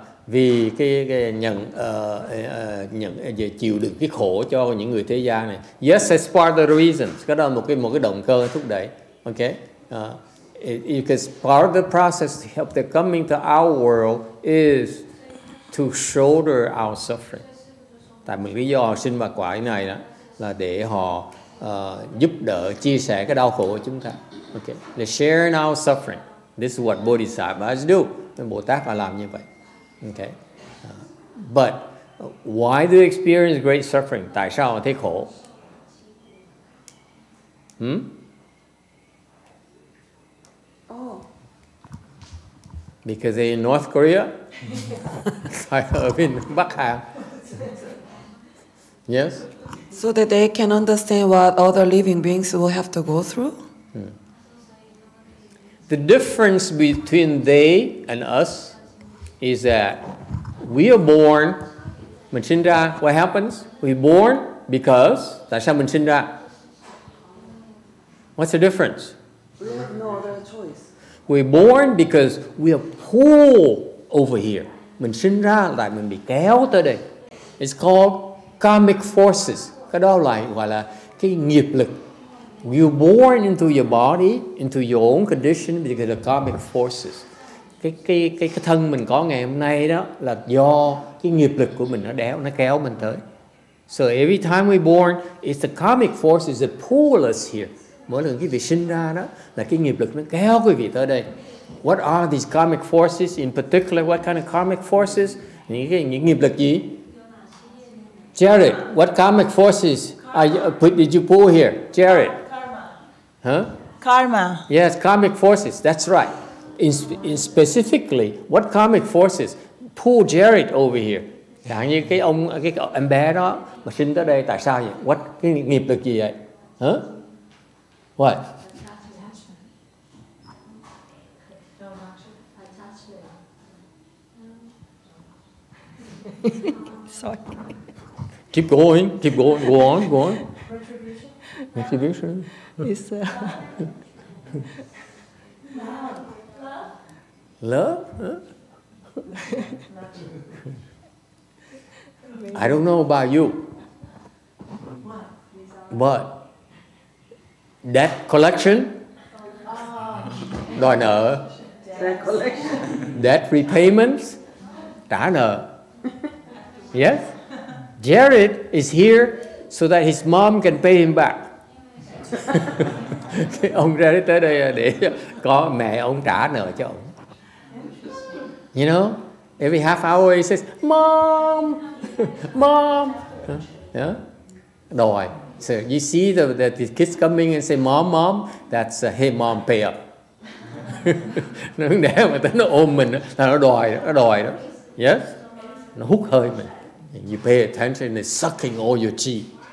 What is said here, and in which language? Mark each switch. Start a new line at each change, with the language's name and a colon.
Vietnamese: Vì cái nhận nhận về chịu đựng cái khổ cho những người thế gian này.
English: Yes, that's part of the reason.
Vietnamese: Cái đó là một cái động cơ thúc đẩy.
English: Okay? It's part of the process to help the coming to our world is to shoulder our suffering.
Vietnamese: Tại mình lý do sinh và quả này đó là để họ giúp đỡ chia sẻ cái đau khổ của chúng ta.
English: Okay? They share in our suffering. This is what Bodhisattvas do.
Vietnamese: Bồ Tát là làm như vậy.
English: Okay, but why do they experience great suffering?
Vietnamese: Tại sao họ thấy khổ?
English: Hmm? Oh. Because they're in North Korea? In Bakhan. Yes? So that they can understand what other living beings will have to go through? The difference between they and us is that we are born. Machinda, what happens? We're born because Dasha Machinda. What's the difference? We have no other choice. We're born because we are pulled over here. Machinda, like
Vietnamese: mình bị kéo tới đây.
English: It's called karmic forces.
Vietnamese: Cái đó là gọi là cái nghiệp lực.
English: You're born into your body, into your own condition because of the karmic forces.
Vietnamese: Cái thân mình có ngày hôm nay đó là do cái nghiệp lực của mình nó kéo mình tới.
English: So every time we're born, it's the karmic forces that pull us here.
Vietnamese: Mỗi lần quý vị sinh ra đó là cái nghiệp lực nó kéo quý vị tới đây.
English: What are these karmic forces? In particular, what kind of karmic forces?
Vietnamese: Những nghiệp lực gì?
English: Jared, what karmic forces did you pull here? Jared? Karma. Yes, karmic forces, that's right. In specifically, what karmic forces pull Jared over here?
Vietnamese: Chẳng như cái em bé đó mà sinh tới đây, tại sao vậy? What, cái nghiệp lực gì vậy?
English: Huh? What? Sorry. Keep going, go on. Retribution. Yes, sir. Love? Huh? I don't know about you. What? Debt collection?
Vietnamese: Đòi nợ.
English: Debt collection. Debt repayments?
Vietnamese: Trả nợ.
English: Yes? Jared is here so that his mom can pay him back.
Vietnamese: Ông Jared tới đây để có mẹ ông trả nợ cho ông.
English: You know, every half hour he says, Mom. Yeah? Đòi. So you see the kids coming and say, Mom, that's, hey, Mom, pay up.
Vietnamese: Nó để mà tới nó ôm mình, là nó đòi đó. Yes? Nó hút hơi mình.
English: And you pay attention, it's sucking all your chi.